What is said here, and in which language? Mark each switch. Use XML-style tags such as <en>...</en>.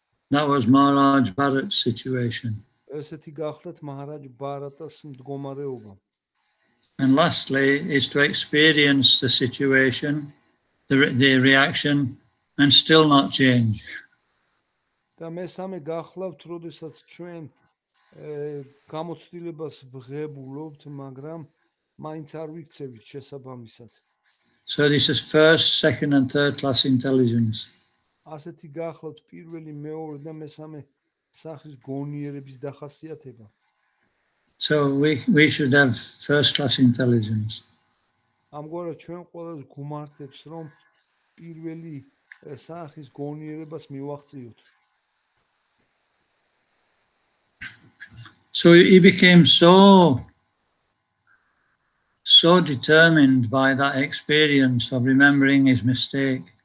<en>That was Maharaj Bharat's situation.</en> <ka>ესეთი გახლავთ მაჰარაჯ ბარატას მდგომარეობა.</ka> <en>And lastly is to experience the situation, the reaction and still not change.</en> <ka>და მესამე გახლავთ, როდესაც ჩვენ გამოცდილებას ვღებულობთ, მაგრამ მაინც არ ვიქცევით შესაბამისად.</ka> <en>So this is first, second and third class intelligence.</en> <ka>ასეთი გახლავთ პირველი, მეორე და მესამე სახის გონიერების დახასიათება.</ka> <en>So we should have first class intelligence.</en> <ka>ამგვარად ჩვენ ყველას გუმართებს რომ პირველი სახის გონიერებას მივახციოთ.</ka> <en>So he became so determined by that experience of remembering his mistake.</en>